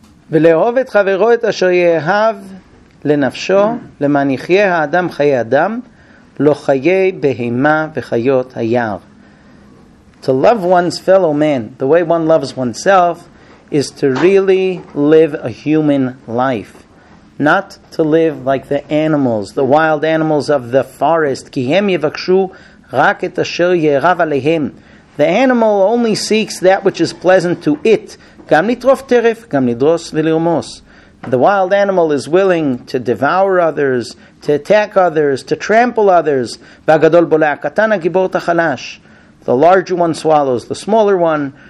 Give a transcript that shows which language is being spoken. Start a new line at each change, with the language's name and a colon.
Hebrew: ולאהוב את חברו את אשר יאהב לנפשו, למען יחיה האדם חיי אדם, לא חיי בהמה וחיות היער.
English: To love one's fellow man, the way one loves oneself, is to really live a human life. Not to live like the animals, the wild animals of the forest.
Hebrew: כי הם יבקשו רק את אשר יאהב עליהם.
English: The animal only seeks that which is pleasant to it.
Hebrew: Gam nitrof teref, gam nidros v'lirmos.
English: The wild animal is willing to devour others, to attack others, to trample others.
Hebrew: Vagadol bolei akatan agibor tachalash.
English: The larger one swallows the smaller one.